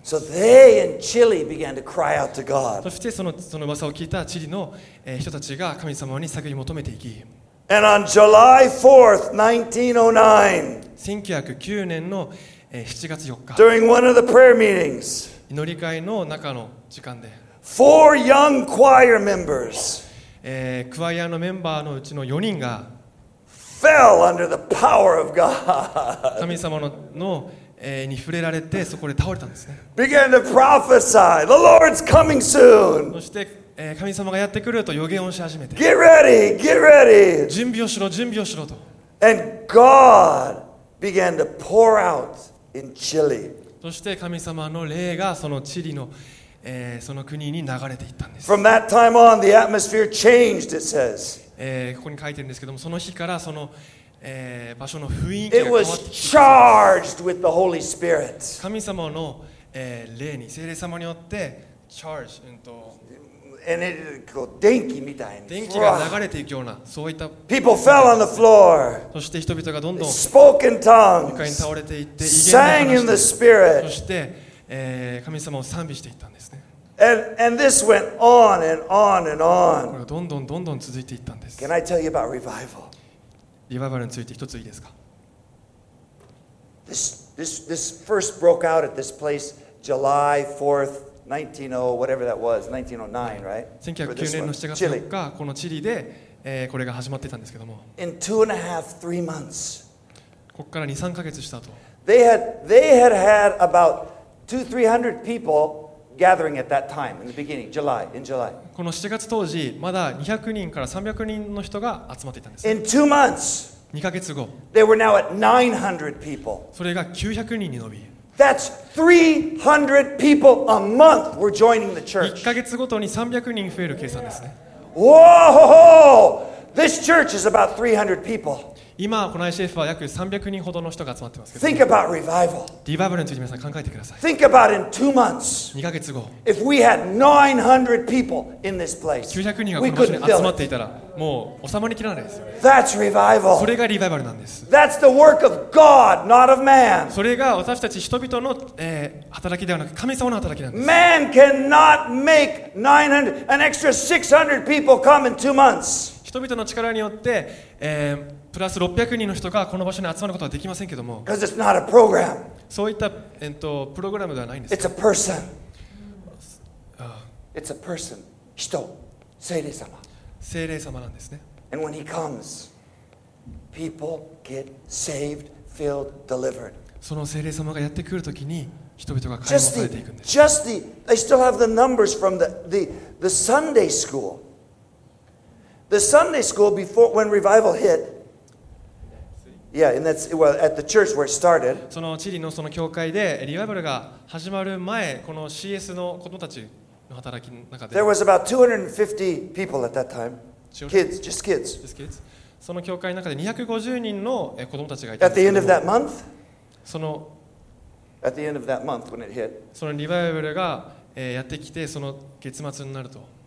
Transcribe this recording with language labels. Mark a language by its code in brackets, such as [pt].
[en] So they and Chile began to cry out to God. [ja] そしてその噂を聞いたチリの人たちが神様に叫び求めていき、 [en] And on July 4th, 1909, [ja] 1909年の7月4日、 [en] During one of the prayer meetings, [ja] 祈り会の中の時間で、 [en] Four young choir members, [ja] クワイアのメンバーのうちの4人が、 [en] Fell under the power of God. [ja] 神様のに触れられてそこで倒れたんですね。 [en] Began to prophesy, the Lord's coming soon. [ja] そして神様がやってくると予言をし始めて、 [en] Get ready, get ready. [ja] 準備をしろ、準備をしろと。 [en] And God began to pour out in Chile. [ja] そして神様の霊がそのチリの、その国に流れていったんです。 [en] From that time on, the atmosphere changed, it says. [ja] ここに書いてるんですけども、その日からその、場所の雰囲気が変わってきました。 [en] It was charged with the Holy Spirit. [ja] 神様の、霊に、聖霊様によって、charged, [en] And it [ja] こう電気みたいに、電気が流れていくようなそういった、 [en] People fell on the floor. [ja] そして人々がどんどん、 [en] Spoken tongues. 床 [ja] に倒れていって、 [en] Sang in the Spirit. [ja] そして、神様を賛美していったんですね。 [en] And this went on and on and on. [ja] どんどんどんどん続いていったんです。 [en] Can I tell you about revival? [ja] リバイバルについて一ついいですか。 [en] This first broke out at this place, July 4th. 1900, whatever that was, 1909, right? [ja] 1909年の7月4日、このチリで、これが始まっていたんですけども。 [en] In two and a half, three months. [ja] ここから2、3ヶ月した後。 [en] They had about 200, 300 people gathering at that time, in the beginning, July, in July. [ja] この7月当時、まだ200人から300人の人が集まっていたんです。 [en] In two months, [ja] 2ヶ月後。 [en] They were now at 900 people. [ja] それが900人に伸び、 [en] That's 300 people a month were joining the church. [ja] 1ヶ月ごとに300人増える計算ですね。 [en] Whoa! This church is about 300 people. [ja] 今この ICF は約300人ほどの人が集まってますけど。 [en] Think about revival. [ja] リバイバルについて皆さん考えてください。 [en] Think about in two months. [ja] 2ヶ月後。 [en] If we had 900 people in this place, [ja] 900人がこの場所に集まっていたら、もう収まりきらないですよ。 [en] That's revival. [ja] それがリバイバルなんです。 [en] That's the work of God, not of man. [ja] それが私たち人々の、働きではなく神様の働きなんです。 [en] Man cannot make 900 an extra 600 people come in two months. [ja] 人々の力によって、プラス600人の人がこの場所に集まることはできませんけども。 [en] Because it's not a program. [ja] そういった、プログラムではないんです。 [en] It's a person. It's a person. [ja] 人、聖霊様。聖霊様なんですね。 [en] And when he comes, people get saved, filled, delivered. [ja] その聖霊様がやってくるときに人々が解放されていくんです。 [en] Just the, I still have the numbers from the Sunday school. The Sunday school before when revival hit. Yeah, and that's well at the church where it started. [ja] そのチリのその教会でリバイバルが始まる前、この CS の子供たち。 [en] There was about 250 people at that time. Kids, just kids. Just kids. [ja] その教会の中で250人の子供たちがいた。 [en] At the end of that month. [ja] その。 [en] At the end of that month when it hit. [ja] そのリバイバルがやってきてその月末になると。